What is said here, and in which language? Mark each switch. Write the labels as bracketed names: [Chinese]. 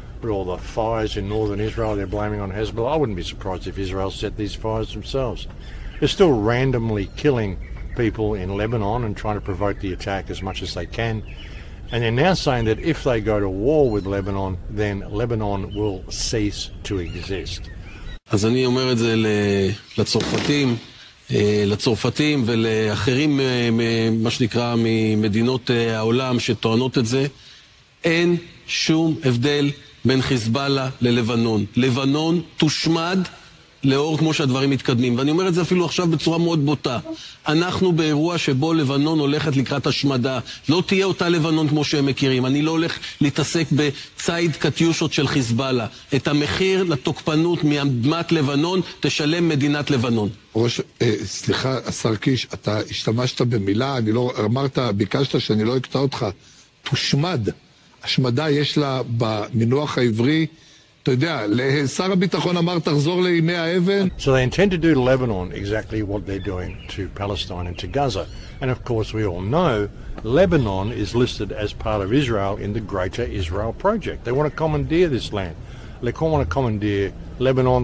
[English] With all the fires in northern Israel, they're blaming on Hezbollah. I wouldn't be surprised if Israel set these fires themselves. They're still randomly killing people in Lebanon and trying to provoke the attack as much as they can. And they're now saying that if they go to war with Lebanon, then Lebanon will cease to exist. [Hebrew] אז אני אומר את זה לצרפתים. לצרפתים ולאחרים מה שנקרא ממדינות העולם שטוענות את זה אין שום הבדל בין חיזבאללה ללבנון לבנון תושמד לאור כמו שהדברים מתקדמים ואני אומר את זה אפילו עכשיו בצורה מאוד בוטה אנחנו באירוע שבו לבנון הולכת לקראת השמדה לא תהיה אותה לבנון כמו שהם מכירים אני לא הולך להתעסק בצייד קטיושות של חיזבאללה את המחיר לתוקפנות מאדמת לבנון תשלם מדינת לבנון ראש, סליחה השר קיש אתה השתמשת במילה אני לא אמרת ביקשת שאני לא אקטע אותך תושמד השמדה יש לה במינוח העברי [English] So they intend to do to Lebanon exactly what they're doing to Palestine and to Gaza. And of course, we all know Lebanon is listed as part of Israel in the Greater Israel Project. They want to commandeer this land. They want to commandeer Lebanon.